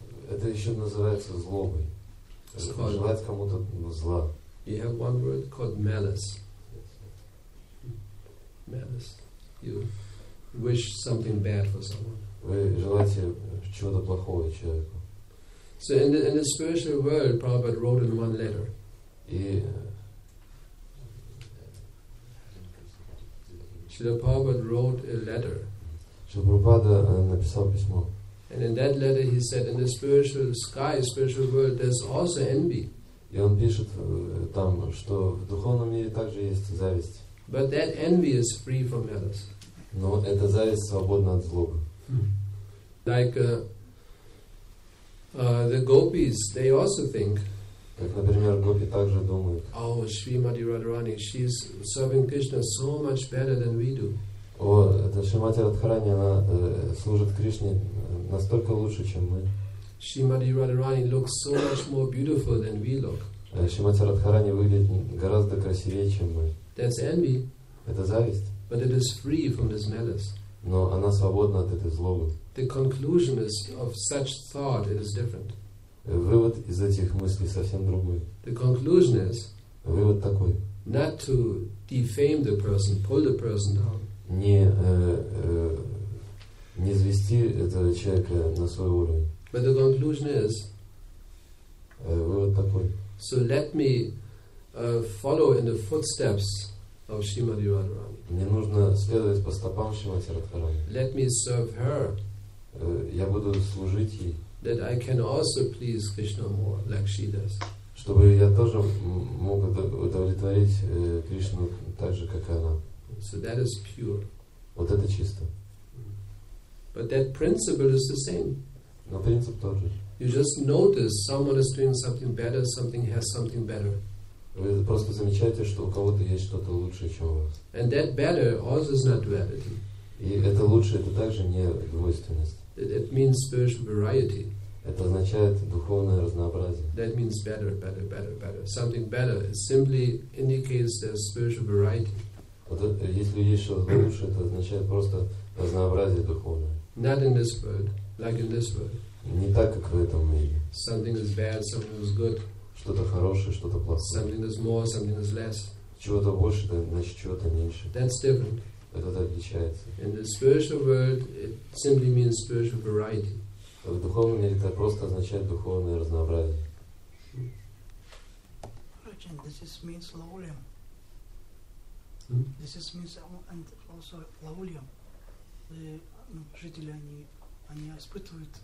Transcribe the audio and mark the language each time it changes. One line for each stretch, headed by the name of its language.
Russian: Это еще называется злобой. Желать кому-то зла.
English: You have one word called malice. Malice. You wish something bad for someone.
Russian: Вы желаете чего-то плохого человеку.
English: So in the spiritual world, Prabhupada wrote in one letter. Srila Prabhupada wrote a letter.
Russian: Srila Prabhupada написал письмо.
English: And in that letter he said, in the spiritual sky, spiritual world, there's also envy.
Russian: И он пишет там, что в духовном мире также есть зависть.
English: But that envy is free from malice.
Russian: Но эта зависть свободна от злобы.
English: Like the gopis, they also think.
Russian: Как, например, гопи также думают.
English: Oh, Srimati Radharani, she's serving Krishna so much better than we do.
Russian: Вот, эта Шримати Радхарани, она служит Кришне настолько лучше, чем мы.
English: Шримати Радхарани looks so much more beautiful than we look.
Russian: Шримати Радхарани выглядит гораздо красивее, чем мы.
English: That's envy.
Russian: Это зависть.
English: But it is free from this malice.
Russian: Но она свободна от этой злобы.
English: The conclusion is of such thought is different.
Russian: Вывод из этих мыслей совсем другой.
English: The conclusion is.
Russian: Вывод такой.
English: Not to defame the person, pull the person down.
Russian: Не извести этого человека на свой уровень.
English: But the conclusion is.
Russian: Вывод такой.
English: So let me follow in the footsteps of Srimati Radharani.
Russian: Мне нужно следовать по стопам Шримати Радхарани.
English: Let me serve her.
Russian: Я буду служить ей.
English: That I can also please Krishna more, like she does.
Russian: Чтобы я тоже мог удовлетворить Кришну так же, как она.
English: So that is pure.
Russian: Вот это чисто.
English: But that principle is the same.
Russian: Но принцип тот же.
English: You just notice someone is doing something better, something has something better.
Russian: Вы просто замечаете, что у кого-то есть что-то лучшее, чем у вас.
English: And that better also is not duality.
Russian: И это лучшее, это также не двойственность.
English: It means spiritual variety.
Russian: Это означает духовное разнообразие.
English: That means better, better, better, better. Something better. It simply indicates there's spiritual variety.
Russian: Вот это, если есть что-то лучше, это означает просто разнообразие духовное.
English: Not in this world, like in this world.
Russian: Не так, как в этом мире.
English: Something is bad, something is good.
Russian: Что-то хорошее, что-то плохое.
English: Something is more, something is less.
Russian: Чего-то больше, значит, чего-то меньше.
English: That's different.
Russian: Это отличается.
English: In the spiritual world, it simply means spiritual variety.
Russian: В духовном мире это просто означает духовное разнообразие. Rajan, this is means lowlium. This is means and also lowlium. The жители они испытывают.